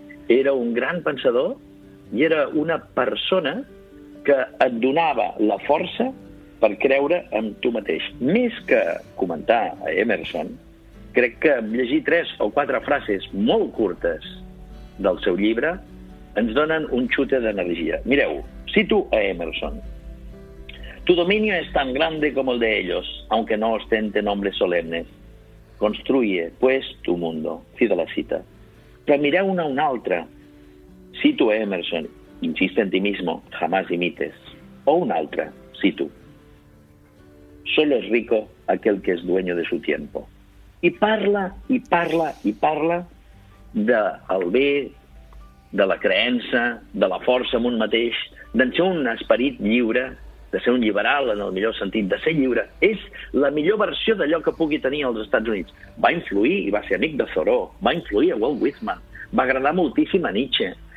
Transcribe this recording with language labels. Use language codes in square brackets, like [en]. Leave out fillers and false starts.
[ca] Era un gran pensador i era una persona que et donava la força per creure en tu mateix. Més que comentar a Emerson, crec que llegir tres o quatre frases molt curtes del seu llibre ens donen un xute d'energia. Mireu, cito a Emerson. [es] Tu dominio es tan grande como el de ellos, aunque no ostente nombres solemnes. Construye, pues, tu mundo. [ca] Fi de la cita. Però mireu una a una altra. Cito a Emerson. [es] Insiste en ti mismo, jamás imites. [ca] O una altra, cito. [es] Solo es rico aquel que es dueño de su tiempo. [ca] I parla, i parla, i parla del bé, de la creença, de la força en un mateix, d'en ser un esperit lliure, de ser un liberal en el millor sentit, de ser lliure. És la millor versió d'allò que pugui tenir als Estats Units. Va influir, i va ser amic de Thoreau, va influir a Walt Whitman, va agradar moltíssim a Nietzsche.